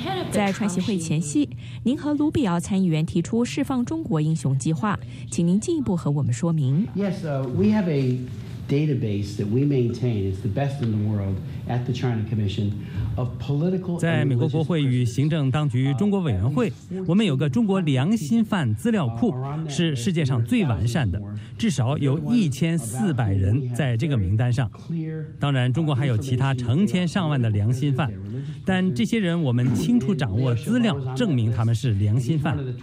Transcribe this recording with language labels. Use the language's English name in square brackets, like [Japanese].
[Chinese] 在川习会前夕，您和卢比奥参议员提出释放中国英雄计划，请您进一步和我们说明。 [English] Yes, we have a database that we maintain. It's the best in the world at the China Commission. [Chinese] 在美国国会与行政当局中国委员会，我们有个中国良心犯资料库，是世界上最完善的，至少有1400人在这个名单上。当然中国还有其他成千上万的良心犯，但这些人我们清楚掌握资料证明他们是良心犯。